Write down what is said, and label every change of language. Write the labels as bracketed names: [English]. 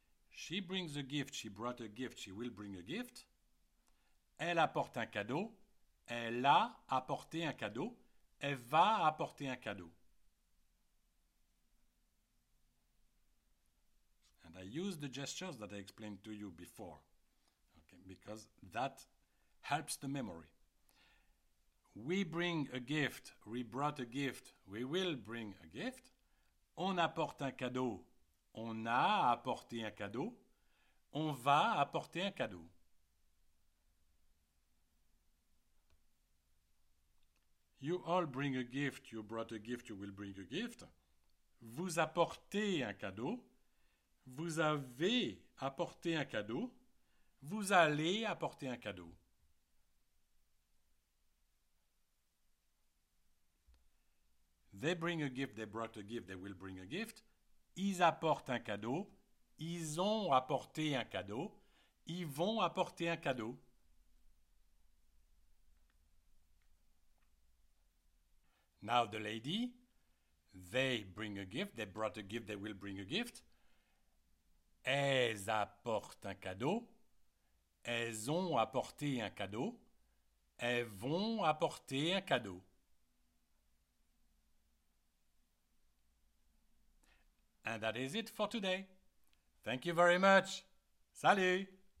[English] She brings a gift. She brought a gift. She will bring a gift. [French] Elle apporte un cadeau. Elle a apporté un cadeau. Elle va apporter un cadeau. [English] And I use the gestures that I explained to you before, okay, because that helps the memory. We bring a gift, we brought a gift, we will bring a gift. [French] On apporte un cadeau, on a apporté un cadeau, on va apporter un cadeau. [English] You all bring a gift, you brought a gift, you will bring a gift. [French] Vous apportez un cadeau. Vous avez apporté un cadeau. Vous allez apporter un cadeau. [English] They bring a gift, they brought a gift, they will bring a gift. [French] Ils apportent un cadeau. Ils ont apporté un cadeau. Ils vont apporter un cadeau. [English] Now the lady. They bring a gift, they brought a gift, they will bring a gift. [French] Elles apportent un cadeau. Elles ont apporté un cadeau. Elles vont apporter un cadeau. [English] And that is it for today. Thank you very much. Salut!